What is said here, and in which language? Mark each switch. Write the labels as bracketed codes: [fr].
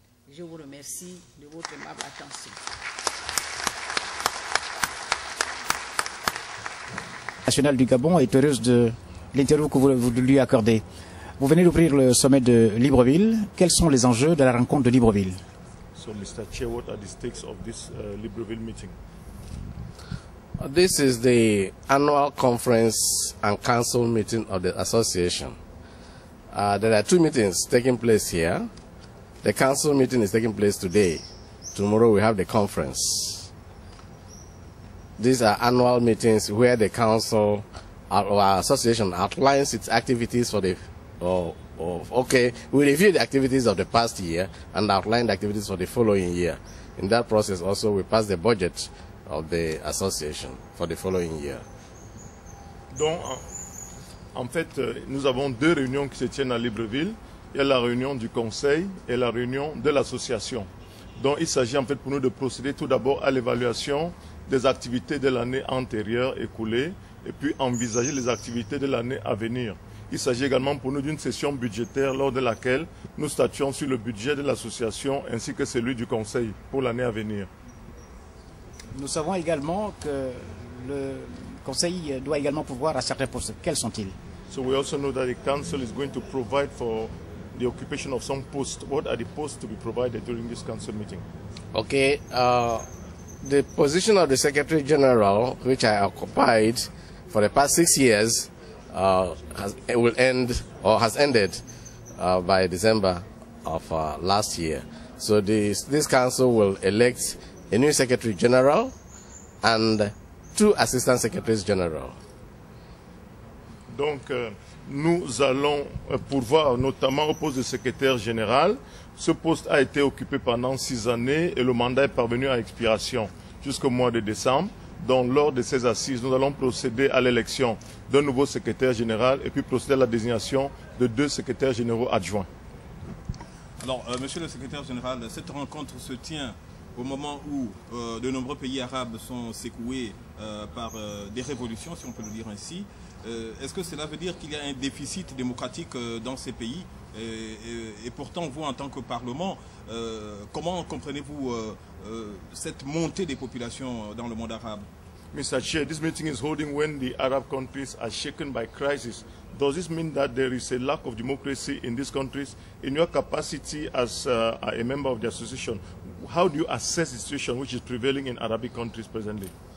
[fr] Je vous remercie de votre aimable attention. Nationale du Gabon est heureuse de l'interview que vous lui accordez. Vous venez d'ouvrir le sommet de Libreville. Quels sont les enjeux de la rencontre de Libreville? [en] So, Mr. Chair, what are the stakes of this Libreville meeting? This is the annual conference and council meeting of the association. There are two meetings taking place here. The council meeting is taking place today. Tomorrow we have the conference. These are annual meetings where the council or association outlines its activities for the we review the activities of the past year and outline the activities for the following year. In that process also we pass the budget of the association for the following year. [fr] Donc en fait nous avons deux réunions qui se tiennent à Libreville. Il y a la réunion du conseil et la réunion de l'association. Donc il s'agit en fait pour nous de procéder tout d'abord à l'évaluation des activités de l'année antérieure écoulée et puis envisager les activités de l'année à venir. Il s'agit également pour nous d'une session budgétaire lors de laquelle nous statuons sur le budget de l'association ainsi que celui du conseil pour l'année à venir. Nous savons également que le conseil doit également pouvoir à certains postes. Quels sont-ils? [en] So we also know that the council is going to provide for the occupation of some posts. What are the posts to be provided during this council meeting? Okay. The position of the Secretary General, which I occupied for the past 6 years, will end or has ended by December of last year. So this council will elect a new secretary general and two assistant secretaries general. [fr] Donc nous allons pourvoir notamment au poste de secrétaire général. Ce poste a été occupé pendant 6 années et le mandat est parvenu à expiration jusqu'au mois de décembre. Donc lors de ces assises, nous allons procéder à l'élection d'un nouveau secrétaire général et puis procéder à la désignation de 2 secrétaires généraux adjoints. Alors, monsieur le secrétaire général, cette rencontre se tient au moment où de nombreux pays arabes sont secoués par des révolutions, si on peut le dire ainsi. Est-ce que cela veut dire qu'il y a un déficit démocratique dans ces pays? Et pourtant, vous, en tant que Parlement, comment comprenez-vous cette montée des populations dans le monde arabe? [en] Mr. Chair, this meeting is holding when the Arab countries are shaken by crisis. Does this mean that there is a lack of democracy in these countries? In your capacity as a member of the association, how do you assess the situation which is prevailing in Arabic countries presently?